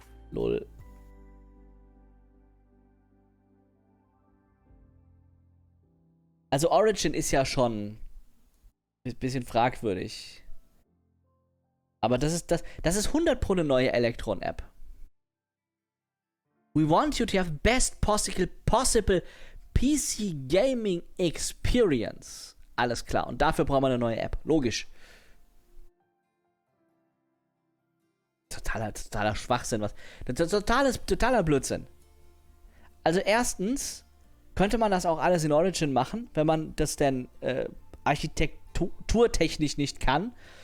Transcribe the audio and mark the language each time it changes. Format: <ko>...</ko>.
<de>Lol. Also Origin ist ja schon ein bisschen fragwürdig. Aber das ist 100% eine neue Electron-App.</de> <en>We want you to have best possible PC Gaming Experience.</en> <de>Alles klar. Und dafür brauchen wir eine neue App. Logisch. Totaler Schwachsinn. Totaler Blödsinn. Also erstens könnte man das auch alles in Origin machen, wenn man das denn architekturtechnisch nicht kann.</de>